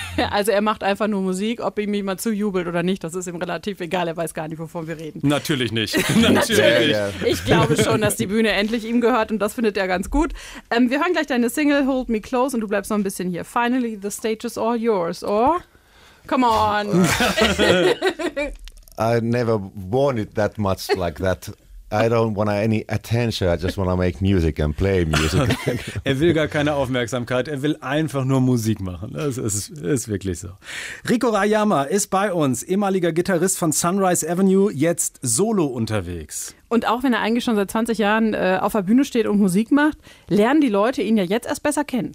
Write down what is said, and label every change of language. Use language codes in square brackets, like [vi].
[de] Also er macht einfach nur Musik, ob ihm jemand zujubelt oder nicht. Das ist ihm relativ egal. Er weiß gar nicht, wovon wir reden. Natürlich nicht. Natürlich. Ich glaube schon, dass die Bühne endlich ihm gehört und das findet er ganz gut. Wir hören gleich deine Single Hold Me Close und du bleibst noch ein bisschen hier. [en] Finally, the stage is all yours. Or, come on. I never wanted that much like that. I don't want any attention, I just want to make music and play music. [de] Er will gar keine Aufmerksamkeit, er will einfach nur Musik machen. Das ist wirklich so. Riku Rajama ist bei uns, ehemaliger Gitarrist von Sunrise Avenue, jetzt solo unterwegs. Und auch wenn er eigentlich schon seit 20 Jahren auf der Bühne steht und Musik macht, lernen die Leute ihn ja jetzt erst besser kennen.